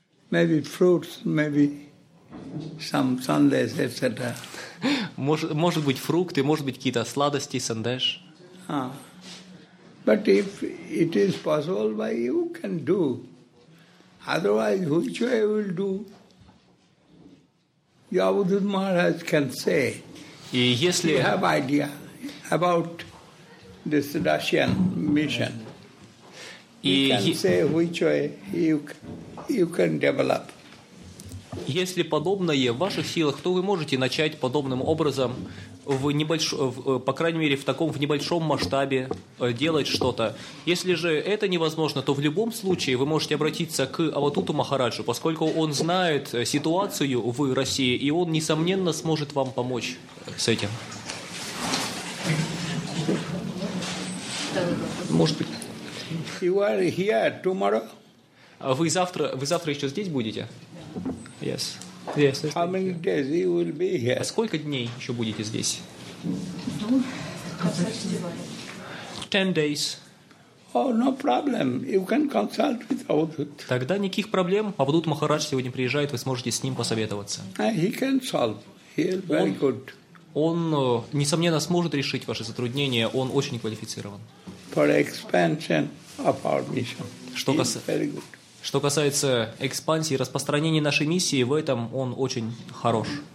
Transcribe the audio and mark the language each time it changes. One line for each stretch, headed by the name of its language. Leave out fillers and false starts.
English: Maybe fruits, maybe some sandesh, etc.
Russian: Может быть фрукты, может быть какие-то сладости, сандеш.
English: But if it is possible, why you can do? Otherwise, which way will do? Yavadut Maharaj can say.
Russian: Если...
English: You have idea about this Russian mission. You can say which way you can develop.
Russian: Если подобное в ваших силах, то вы можете начать подобным образом по крайней мере, в таком, в небольшом масштабе делать что-то. Если же это невозможно, то в любом случае вы можете обратиться к Аватуту Махараджу, поскольку он знает ситуацию в России, и он, несомненно, сможет вам помочь с этим. Может быть.
English: You are here tomorrow?
Russian: Вы завтра еще здесь будете?
English: Yes. Yes, how many days you will be here?
Russian: А сколько дней еще будете здесь?
English: 10 days. Oh, no problem. You can consult with Avadhut.
Russian: Тогда никаких проблем. Авадут Махарадж сегодня приезжает, вы сможете с ним посоветоваться.
English: He can solve. He is very good.
Russian: Он, несомненно, сможет решить ваши затруднения. Он очень квалифицирован.
English: For expansion of our mission. Very good.
Russian: Что касается экспансии и распространения нашей миссии, в этом он очень хорош.